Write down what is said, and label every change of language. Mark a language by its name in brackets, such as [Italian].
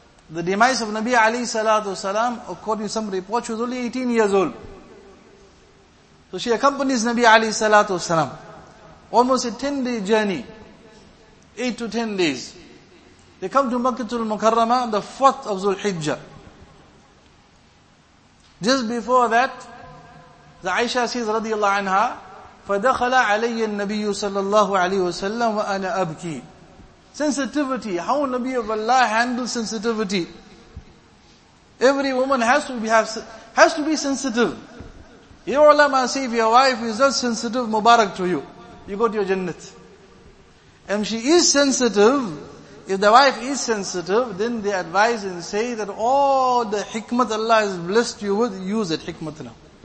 [English] The demise of Nabi alayhi salatu wasalam, according to some reports, she was only 18 years old. So she accompanies Nabi alayhi salatu wasalam. Almost a 10 day journey. 8 to 10 days. They come to Makkatul Mukarrama, the 4th of Zulhijjah. Just before that, the Aisha says [Arabic] radiyallahu anha, فَدَخَلَ عَلَيَّ النَّبِيُّ صَلَّى اللَّهُ عَلَيْهُ وَسَلَّمُ وَأَنَا أَبْكِي [English] Sensitivity. How Nabi of Allah handles sensitivity. Every woman has to be sensitive. Ya Allah, ma see, if your wife is not sensitive, Mubarak to you. You go to your Jannat. And she is sensitive. If the wife is sensitive, then they advise and say that all the hikmat Allah has blessed you with, use it, hikmat now.